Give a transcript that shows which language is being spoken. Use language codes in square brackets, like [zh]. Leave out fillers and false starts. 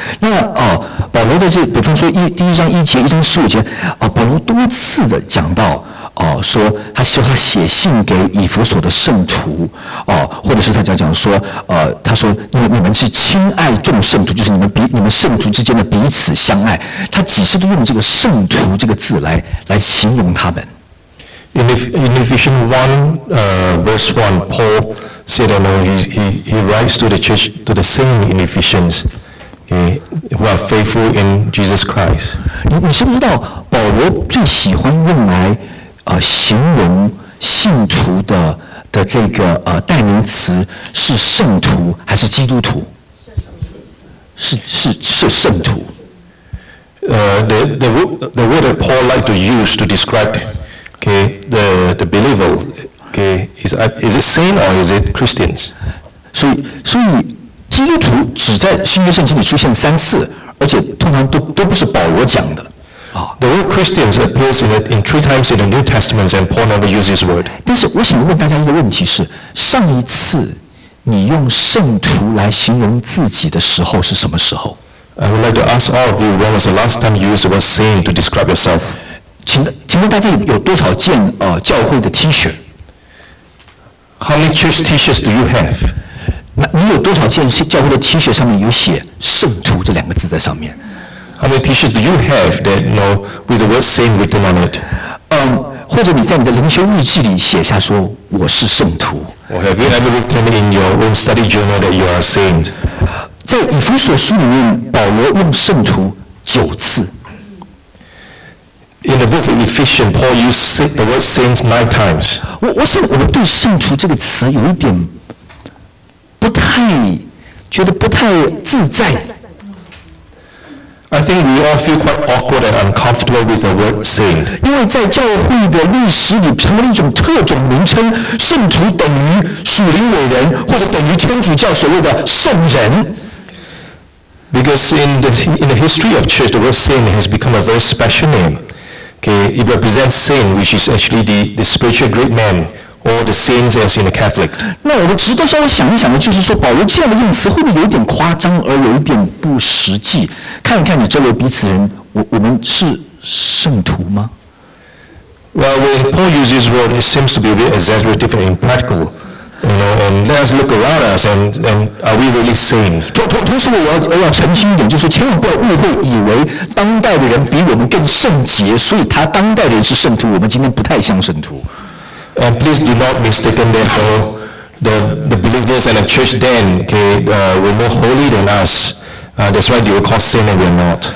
[zh] 那保罗在这，比方说第一章一节，一章十五节，保罗多次的讲到。说他写信给以弗所的圣徒，或者是他讲说，他说你们是亲爱众圣徒，就是你们圣徒之间的彼此相爱。他几次都用这个圣徒这个字来形容他们。 [en] In Ephesians 1, verse 1, Paul said, you know, he writes to the church, to the saints in Ephesians, okay, who are faithful in Jesus Christ. [zh] 你知不知道保罗最喜欢用来形容信徒的这个代名词是圣徒还是基督徒？是圣徒。 [en] The word that Paul like to use to describe, okay, the believer, okay, is it saint or is it Christians? [zh] 所以基督徒只在新约圣经里出现三次，而且通常都不是保罗讲的。 [en] The word Christians appears in three times in the New Testament, and Paul never uses this word. [zh] 但是我想问大家一个问题是：上一次你用圣徒来形容自己的时候是什么时候 [en] ？I would like to ask all of you, when was the last time you used the word saint to describe yourself? [zh] 请问大家有多少件教会的 T-shirt? [en] How many church T-shirts do you have? [zh] 那你有多少件教会的 T-shirt 上面有写圣徒这两个字在上面？ [en] How many T-shirts do you have that, you know, with the word saint written on it? [zh] 或者你在你的灵修日记里写下说我是圣徒。 [en] Or have you ever written in your own study journal that you are a saint? [zh] 在以弗所书里面，保罗用圣徒九次。 [en] In the book of Ephesians, Paul used the word saints 9 times. [zh] 我想我们对圣徒这个词有一点不太觉得不太自在。 [en] I think we all feel quite awkward and uncomfortable with the word saint. [zh] 因为在教会的历史里成为了一种特种名称，圣徒等于属灵伟人，或者等于天主教所谓的圣人。 [en] Because in the history of church, the word saint has become a very special name. Okay, it represents saint, which is actually the spiritual great man. Or the saints as in the Catholic. [zh] 那我们值得稍微想一想的，就是说保罗这样的用词会不会有点夸张而有一点不实际？看一看你周围彼此人，我们是圣徒吗 [en] ？Well, when Paul uses this word, it seems to be a bit exaggerative and impractical. You know, and let us look around us, and are we really saints? [zh] 同时我要澄清一点，就是千万不要误会，以为当代的人比我们更圣洁，所以他当代的人是圣徒，我们今天不太像圣徒。 [en] And please do not mistaken that the believers and the church then, okay, were more holy than us. That's why they were called saints and we are not.